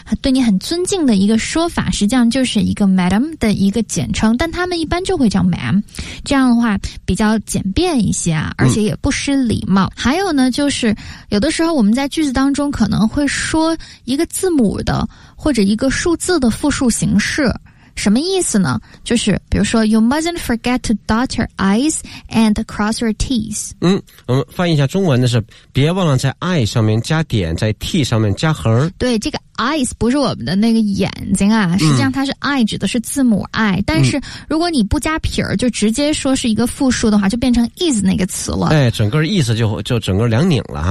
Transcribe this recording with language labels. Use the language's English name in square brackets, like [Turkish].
[Chinese] 对你很尊敬的一个说法，实际上就是一个 madam 的一个简称，但他们一般就会叫 ma'am， 这样的话比较简便一些啊，而且也不失礼貌，嗯，还有呢就是有的时候我们在句子当中可能会说一个字母的或者一个数字的复数形式，什么意思呢？就是比如说 [English] You mustn't forget to dot your I's and cross your T's。 [Chinese] 嗯，我们翻译一下中文的是别忘了在 I 上面加点，在 T 上面加横。对，这个 I's 不是我们的那个眼睛啊，实际上它是 I 指的是字母 I，嗯，但是如果你不加撇儿，就直接说是一个复数的话，就变成 is 那个词了。哎，整个意思就整个两拧了哈。